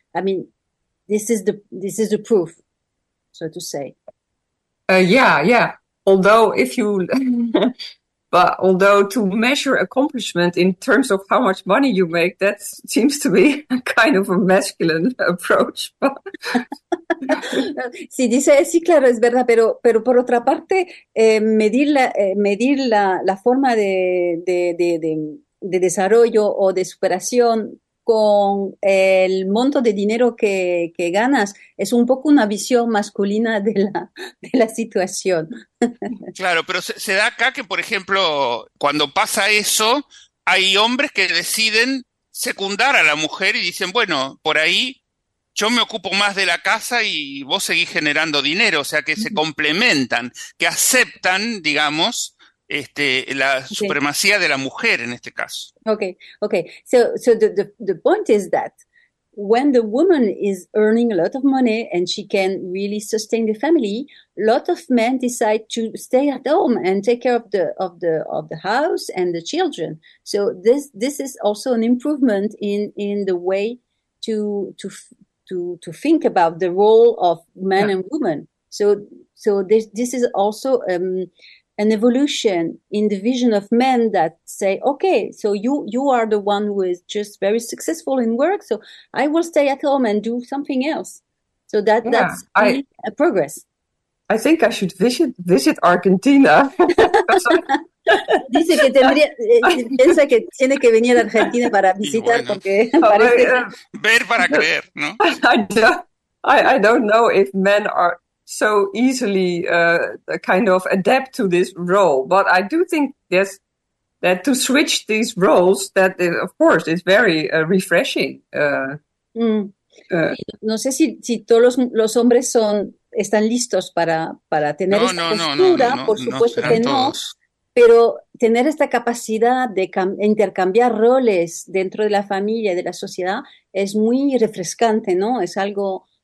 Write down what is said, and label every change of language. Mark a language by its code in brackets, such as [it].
[en] I mean, this is the proof, so to say. Although if you but although to measure accomplishment in terms of how much money you make, that seems to be a kind of a masculine approach. [es] Sí, dice, sí, claro, es verdad, pero por otra parte, medir la forma de desarrollo o de superación con el monto de dinero que ganas es un poco una visión masculina de la situación. Claro, pero se da acá que, por ejemplo, cuando pasa eso, hay hombres que deciden secundar a la mujer y dicen, bueno, por ahí yo me ocupo más de la casa y vos seguís generando dinero, o sea que se complementan, que aceptan, digamos, la supremacía de la mujer en este caso. [en] Okay. So the point is that when the woman is earning a lot of money and she can really sustain the family, lot of men decide to stay at home and take care of the house and the children. So this is also an improvement in the way to think about the role of men and women. So this is also an evolution in the vision of men that say, okay, so you are the one who is just very successful in work, so I will stay at home and do something else. So that's really a progress. I think I should visit Argentina. [es] Dice que tendría, piensa que tiene que venir a Argentina para visitar, bueno, porque parece que... ver para creer, ¿no? [en] I don't know if men are so easily kind of adapt to this role, but I do think yes, that to switch these roles, that of course is very refreshing. [es] No sé si todos los hombres están listos para tener esta postura, por supuesto que no. Pero tener esta capacidad de intercambiar roles dentro de la familia y de la sociedad es muy refrescante, ¿no? Es algo